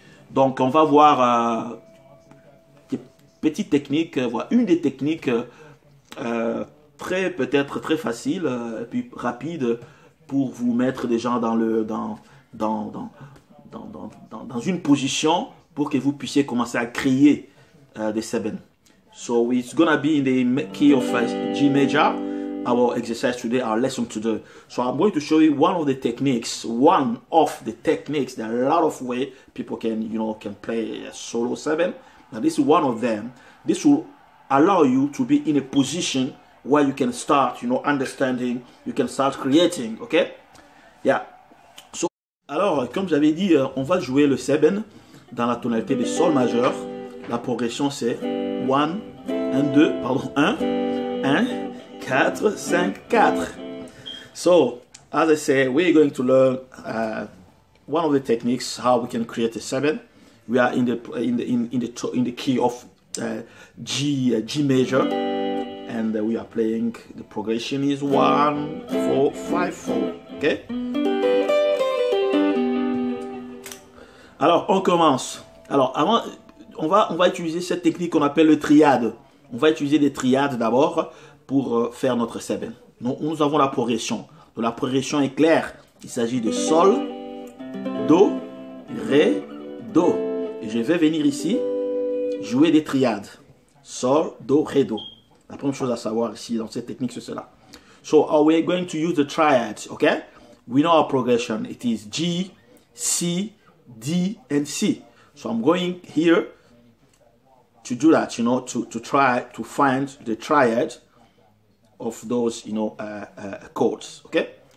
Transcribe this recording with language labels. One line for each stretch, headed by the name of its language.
French: Donc, on va voir petites techniques, une des techniques très peut-être très facile, puis rapide pour vous mettre déjà dans une position pour que vous puissiez commencer à créer des seven.
English: So it's gonna be in the key of G major. Our exercise today, our lesson today. So I'm going to show you one of the techniques, one of the techniques. There are a lot of ways people can play a solo seven. Now this is one of them. This will allow you to be in a position where you can start, understanding, you can start creating, okay? Yeah.
French: Alors, comme j'avais dit, on va jouer le seven dans la tonalité de sol majeur. La progression c'est 1, 1, 2, pardon, 1, 1. 4, 5, 4.
English: So, as I say, we're going to learn one of the techniques how we can create a seven. We are in the key of G major, and we are playing. The progression is 1, 4, 5, 4. Okay?
French: Alors, on commence. Alors, avant, on va utiliser cette technique qu'on appelle le triade. On va utiliser des triades d'abord pour faire notre seven. Nous avons la progression. Donc, la progression est claire. Il s'agit de sol, do, ré, do. Et je vais venir ici jouer des triades. Sol, do, ré, do. La première chose à savoir ici dans cette technique, c'est cela.
English: So we're going to use the triads, okay? We know our progression. It is G, C, D, and C. So I'm going here to do that, to try to find the triad of those, chords, okay?